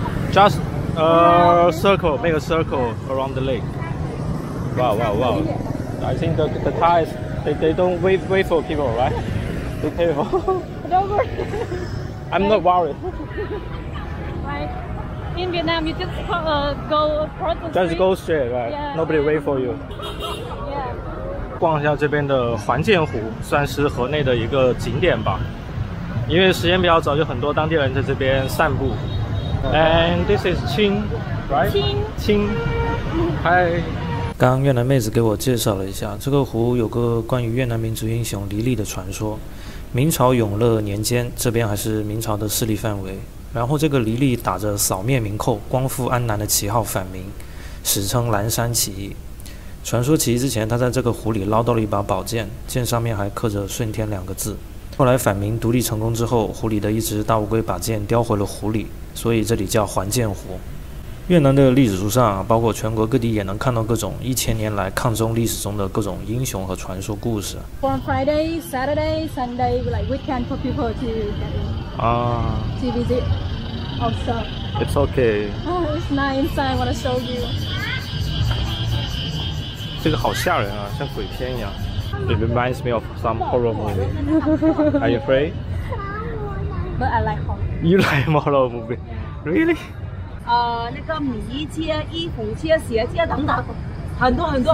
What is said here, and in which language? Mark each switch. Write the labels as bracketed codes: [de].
[en] Just a circle, make a circle around the lake. Wow, wow, wow. I think the tides, they don't wait for people, right? They pay for. Don't worry. I'm not worried. Right. In Vietnam, you just go across the street. Just go straight, right? Yeah, Nobody wait for you. Yeah. [zh] 逛一下这边的环涧湖，算是河内的一个景点吧。因为时间比较早，就很多当地人在这边散步。 [en] And this is Qing, right? Qing. Hi. [zh] 刚刚越南妹子给我介绍了一下，这个湖有个关于越南民族英雄黎莉的传说。明朝永乐年间，这边还是明朝的势力范围。然后这个黎莉打着扫灭明寇、光复安南的旗号反明，史称蓝山起义。传说起义之前，他在这个湖里捞到了一把宝剑，剑上面还刻着顺天两个字。后来反明独立成功之后，湖里的一只大乌龟把剑叼回了湖里，所以这里叫环涧湖。越南的历史书上，包括全国各地也能看到各种一千年来抗中历史中的各种英雄和传说故事。 [en] On Friday, Saturday, Sunday, like weekend for people to get in. Ah. To visit also. It's okay. It's not inside. I want to show you. [zh] 这个好吓人啊，像鬼片一样。 [en] It reminds me of some horror movie. Are you afraid? But I like horror. You like horror movie? Really? [zh] 那个米街、衣服街、鞋街等等，很多很多。